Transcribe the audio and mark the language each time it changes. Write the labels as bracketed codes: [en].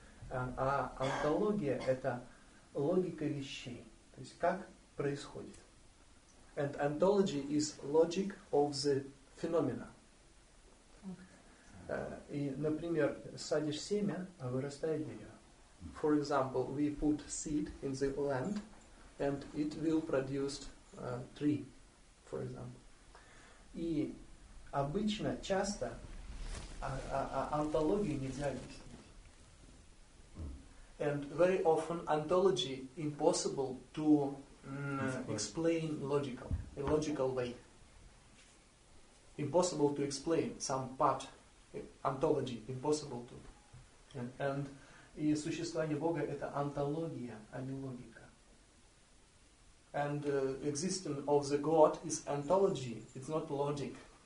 [ru] А онтология – это логика вещей, то есть как происходит. [en] And ontology is logic of the phenomena. [ru] И, например, садишь семя, а вырастает дерево. [en] For example, we put seed in the land, and it will produce tree, for example. [ru] И обычно, часто онтологию нельзя объяснить. [en] And very often ontology impossible to explain logical, a logical way. Impossible to explain some part ontology, impossible to. And [ru] и существование Бога это онтология, а не логика. [en] And existence of the God is ontology, it's not logic.